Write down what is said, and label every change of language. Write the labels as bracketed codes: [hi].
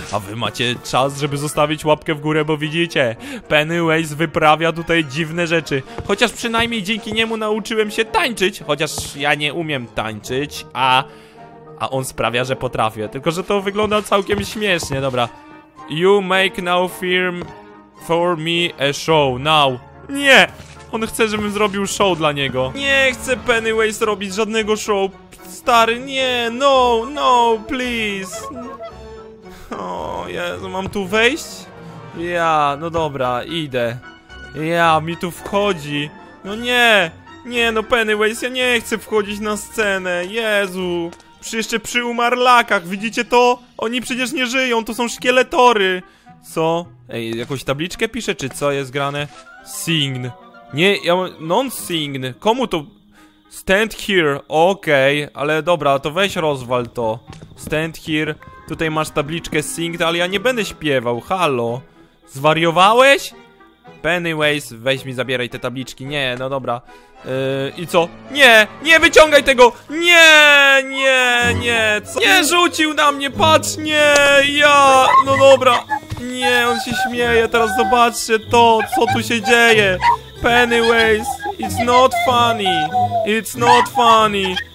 [pl] A wy macie czas, żeby zostawić łapkę w górę, bo widzicie, Pennywise wyprawia tutaj dziwne rzeczy. Chociaż przynajmniej dzięki niemu nauczyłem się tańczyć. Chociaż ja nie umiem tańczyć, a on sprawia, że potrafię. Tylko że to wygląda całkiem śmiesznie, dobra. [en] You make now film for me a show now. [pl] Nie! On chce, żebym zrobił show dla niego. Nie chcę, Pennywise, robić żadnego show. Stary, nie, no, no, please. O, Jezu, mam tu wejść? Ja, no dobra, idę. Ja, mi tu wchodzi. No nie, nie, no Pennywise, ja nie chcę wchodzić na scenę, Jezu. Jeszcze przy umarlakach, widzicie to? Oni przecież nie żyją, to są szkieletory. Co? Ej, jakąś tabliczkę pisze, czy co jest grane? Sign. Nie, ja non-sign, komu to... [en] Stand here, [pl] okej, okay, ale dobra, to weź rozwal to. [en] Stand here, [pl] tutaj masz tabliczkę sing, ale ja nie będę śpiewał, halo. Zwariowałeś? Pennywise, weź mi zabieraj te tabliczki, nie, no dobra. I co? Nie, nie wyciągaj tego! Nie, nie, nie, co? Nie rzucił na mnie, patrz, nie, ja, no dobra. Nie, on się śmieje, teraz zobaczcie to, co tu się dzieje. [en] Pennywise, it's not funny, it's not funny.